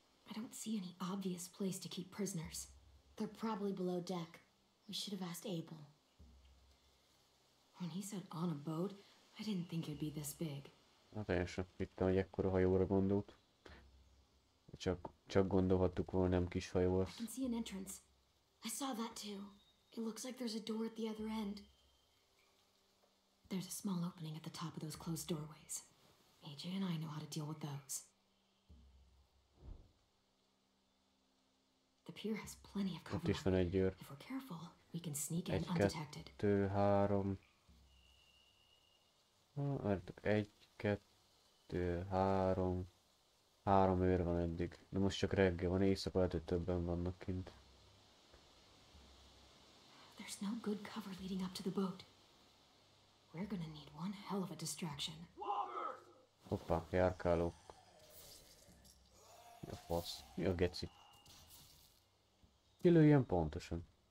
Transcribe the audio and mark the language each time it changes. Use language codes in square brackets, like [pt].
[en] I don't see any obvious place to keep prisoners. They're probably below deck. We should have asked Abel. When he said on a boat, I didn't think it'd be this big. [hu] Na teljesen hittem, hogy ekkora hajóra gondolt. Csak gondolhattuk volna, nem kis hajó az. [en] I can see an entrance. I saw that too. It looks like there's a door at the other end. There's a small opening at the top of those closed doorways. AJ and I know how to deal with those. The pier has plenty of cover. [hu] Ott is van egy győr. [en] If we're careful, we can sneak in undetected. [hu] Egy, kettő, három. Egy, kettő, három. Három őr van eddig. De most csak reggel van, éjszaka lehet, hogy többen vannak kint. [en] There's no good cover leading up to the boat. We're gonna need one hell of a distraction. [hu] Hoppa, járkálók. Mi a fasz? Mi a geci? Ki lőjön pontosan?